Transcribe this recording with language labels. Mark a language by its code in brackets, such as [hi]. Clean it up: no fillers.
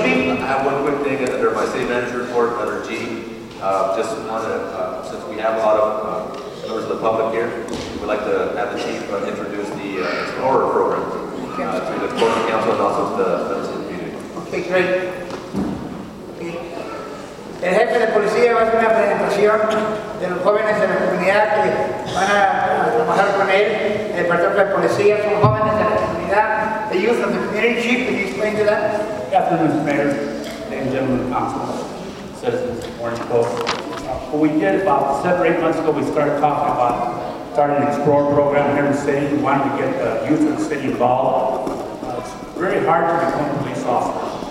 [en] I have one quick thing under my city manager report, letter G. Just want to, since we have a lot of members of the public here, we'd like to have the chief introduce the Explorer program to the court and council and also to the community. Okay, great. [es] El jefe de policía va a hacer una presentación de los jóvenes de la comunidad que van a trabajar con él. El patrón de policía son jóvenes de la comunidad. [en] The youth of the community chief, can you explain to them? Good afternoon, Mr. Mayor, ladies and gentlemen, council, citizens, morning, folks. What we did about 7 or 8 months ago, we started talking about starting an Explorer program here in the city. We wanted to get the youth of the city involved. It's very hard to become a police officer.